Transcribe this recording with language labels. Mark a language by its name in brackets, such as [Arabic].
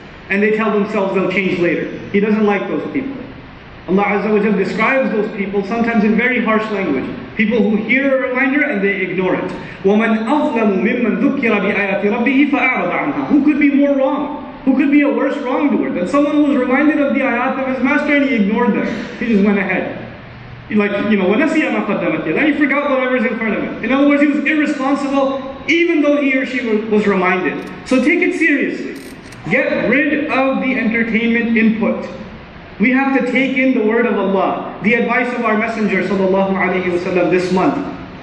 [English] And they tell themselves they'll change later. He doesn't like those people. Allah Azza wa Jalla describes those people sometimes in very harsh language. People who hear a reminder and they ignore it. [Arabic] وَمَنْ أَظْلَمُ مِمَّنْ ذُكِّرَ بِآيَاتِ رَبِّهِ فَأَعْرَضَ عَنْهَا. [English] Who could be more wrong? Who could be a worse wrongdoer than someone who was reminded of the ayat of his master and he ignored them? He just went ahead. Like, you know, [Arabic] وَنَسِيَ مَا قَدَّمَتْ يَدَهُ. [English] He forgot whatever's in front of him. In other words, he was irresponsible even though he or she was reminded. So take it seriously. Get rid of the entertainment input. We have to take in the word of Allah, the advice of our Messenger sallallahu alaihi wasallam this month.